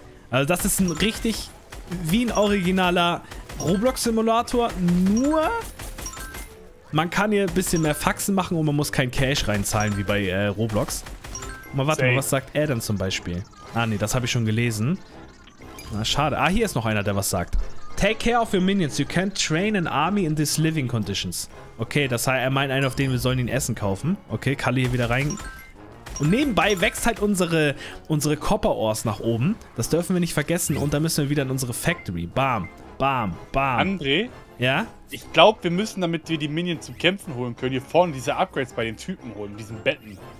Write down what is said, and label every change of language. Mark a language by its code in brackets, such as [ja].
[de] Also das ist ein richtig, wie ein originaler Roblox-Simulator, nur... Man kann hier ein bisschen mehr Faxen machen und man muss kein Cash reinzahlen wie bei Roblox. Mal warten, was sagt er denn zum Beispiel? Ah, nee, das habe ich schon gelesen. Na, schade. Ah, hier ist noch einer, der was sagt. [en] Take care of your minions. You can't train an army in these living conditions. [de] Okay, das heißt, er meint einen, auf den wir sollen ihn Essen kaufen. Okay, Kalle hier wieder rein. Und nebenbei wächst halt unsere Copper Ores nach oben. Das dürfen wir nicht vergessen. Und dann müssen wir wieder in unsere Factory. Bam, bam, bam. André? Ja? Ich glaube, wir müssen, damit wir die Minions zum Kämpfen holen können, hier vorne diese Upgrades bei den Typen holen, diesen Betten.